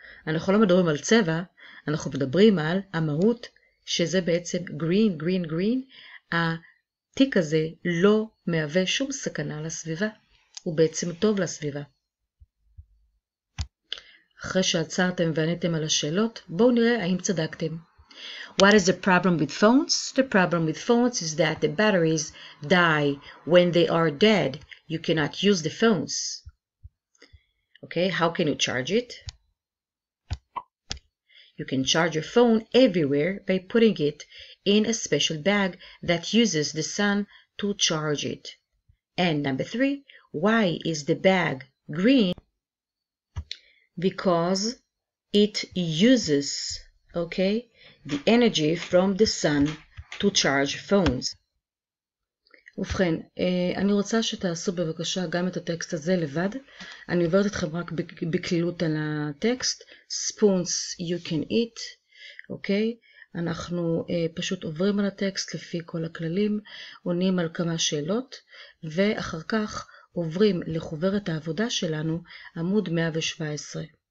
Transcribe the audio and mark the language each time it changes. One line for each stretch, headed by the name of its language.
Hebrew: אנחנו לא מדברים על צבע, אנחנו מדברים על המהות, שזה בעצם
English: green, green, green.
Hebrew: התיק הזה לא מהווה שום סכנה לסביבה. הוא בעצם טוב לסביבה. אחרי שעצרתם ועניתם על השאלות, בואו נראה האם צדקתם.
English: What is the problem with phones? The problem with phones is that the batteries die when they are dead. You cannot use the phones. Okay, how can you charge it? You can charge your phone everywhere by putting it in a special bag that uses the sun to charge it. And number three, why is the bag green? Because it uses, okay, the energy from the sun to charge phones.
Hebrew: ובכן, אני רוצה שתעשו בבקשה גם את הטקסט הזה לבד. אני עוברת אתכם רק בקלילות על הטקסט.
English: Spoons you can eat.
Hebrew: אוקיי? אנחנו פשוט עוברים על הטקסט לפי כל הכללים, עונים על כמה שאלות, ואחר כך עוברים לחוברת העבודה שלנו, עמוד 117.